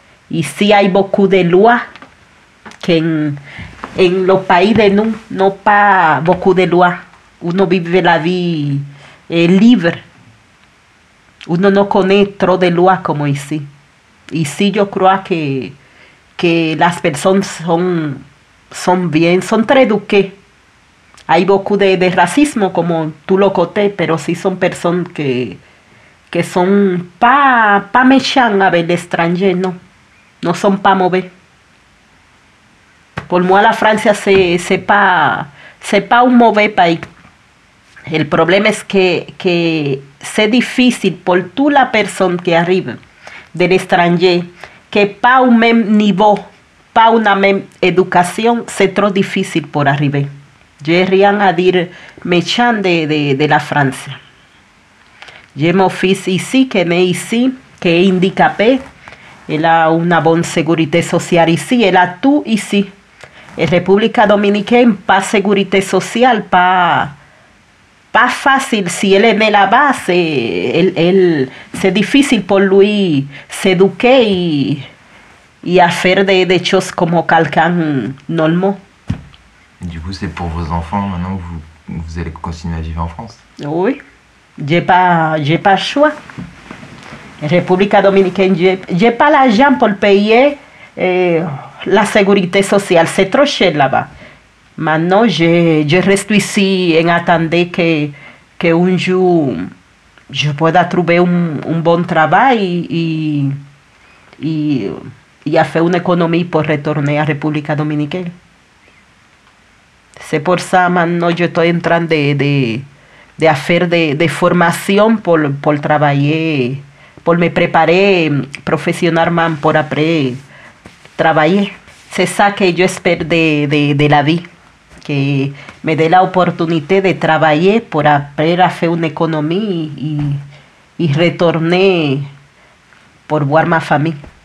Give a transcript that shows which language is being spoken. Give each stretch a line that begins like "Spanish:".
Spanish: Y sí hay
French: beaucoup de lois
Spanish: que en los países de
French: nous,
Spanish: no
French: pas beaucoup de lois.
Spanish: Uno vive la vida libre. Uno no conoce
French: trop
Spanish: de lois como
French: ici.
Spanish: Y sí yo creo que las personas son bien, son
French: très éduquées.
Spanish: Hay
French: beaucoup
Spanish: de racismo, como tú lo
French: coté,
Spanish: pero sí son personas que son
French: pa méchant avec l'étranger,
Spanish: no. No son
French: pa mauvais.
Spanish: Por
French: moi,
Spanish: la Francia sepa un
French: mauvais
Spanish: país. El problema es que es difícil por tú la persona que arriba del extranjero, que
French: pa un même niveau,
Spanish: pa una
French: même
Spanish: educación, se tro difícil por arriba.
French: Je rien a dire méchant
Spanish: de la Francia.
French: J'ai mon fils ici, qui est né ici, qui est handicapé. Il a une bonne sécurité sociale ici. Il a tout ici. En République dominicaine, pas sécurité sociale, pas facile. Si il est né là-bas, c'est difficile pour lui s'éduquer et à faire des choses comme quelqu'un normal. Du coup, c'est pour vos enfants maintenant que vous allez continuer à vivre en France. Oui. J'ai pas choix. République dominicaine, j'ai pas l'argent pour payer la sécurité sociale. C'est trop cher là-bas. Maintenant, je reste ici en attendant que un jour je pourrai trouver un bon travail et à faire une économie pour retourner à République dominicaine. C'est pour ça maintenant je suis en train de
Spanish: hacer de formación por trabajar, por me preparé profesionalmente por
French: après
Spanish: trabajar.
French: C'est ça que
Spanish: yo espero de la vida, que me dé la oportunidad de trabajar por
French: après
Spanish: hacer una economía y retorné por ver mi familia.